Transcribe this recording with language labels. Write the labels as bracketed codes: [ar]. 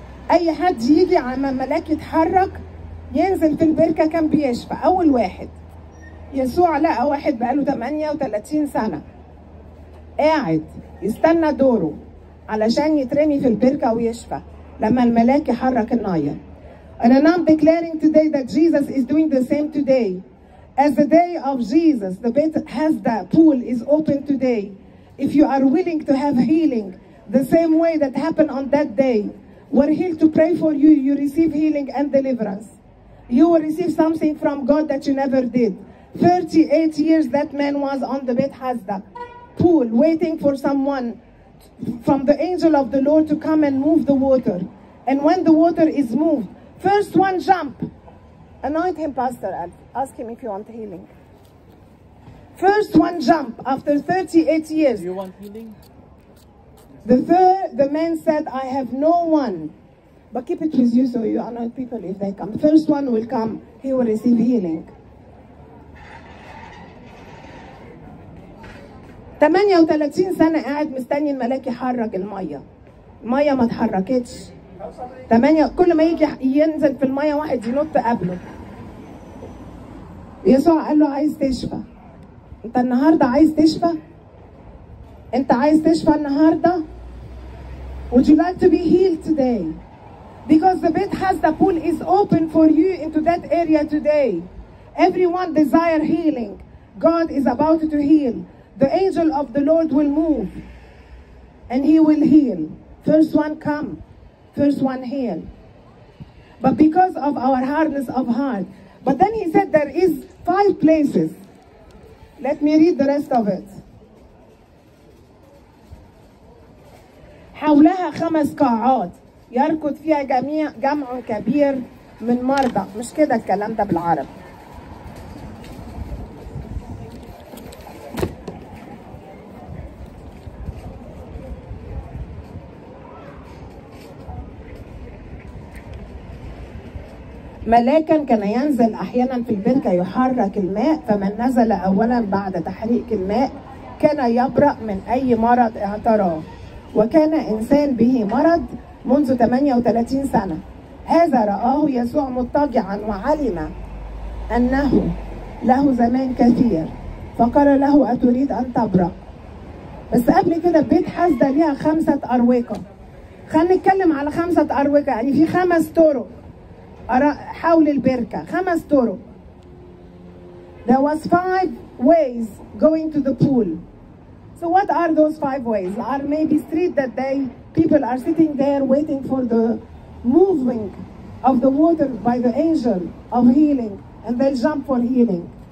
[ar] أي حد يجي على ملاك يتحرك ينزل في البركة كان بيشفى. أول واحد. يسوع لقى واحد بقاله 38 سنة. قاعد يستنى دوره علشان يترمي في البركة ويشفى لما الملاك يحرك الناية. [en] And I'm declaring today that Jesus is doing the same today. As the day of Jesus, the Beit Hasda pool is open today. If you are willing to have healing the same way that happened on that day, we're here to pray for you. You receive healing and deliverance. You will receive something from God that you never did. 38 years that man was on the Beit Hasda pool waiting for someone from the angel of the Lord to come and move the water. And when the water is moved, first one jump. Anoint him, Pastor Al. Ask him if you want healing. First one jump after 38 years. Do you want healing? The man said, I have no one. But keep it with you so you anoint people if they come. First one will come, he will receive healing. [ar] 38 سنة قاعد مستني الملاك يحرك المية. المية ما اتحركتش. كل ما يجي ينزل في المية واحد ينط قبله. يسوع قال له عايز تشفى. أنت النهاردة عايز تشفى؟ أنت عايز تشفى النهاردة؟ [en] Would you like to be healed today? Because the Beit Hasda pool is open for you into that area today. Everyone desire healing. God is about to heal. The angel of the Lord will move and he will heal. First one come, first one heal. But because of our hardness of heart. But then he said there is five places. Let me read the rest of it. [ar] حولها خمس قاعات يركض فيها جميع جمع كبير من مرضى. مش كده الكلام ده بالعربي. ملاكا كان ينزل احيانا في البركه يحرك الماء فمن نزل اولا بعد تحريك الماء كان يبرأ من اي مرض اعتراه وكان انسان به مرض منذ 38 سنه هذا رآه يسوع مضطجعا وعلم انه له زمان كثير فقال له اتريد ان تبرأ بس قبل كده بيت حزدة ليها خمسه اروقه خلينا نتكلم على خمسه اروقه يعني في خمس طرق حول البركة خمس طرق [en] There was five ways going to the pool. So what are those five ways? Are maybe street that they people are sitting there waiting for the moving of the water by the angel of healing, and they jump for healing.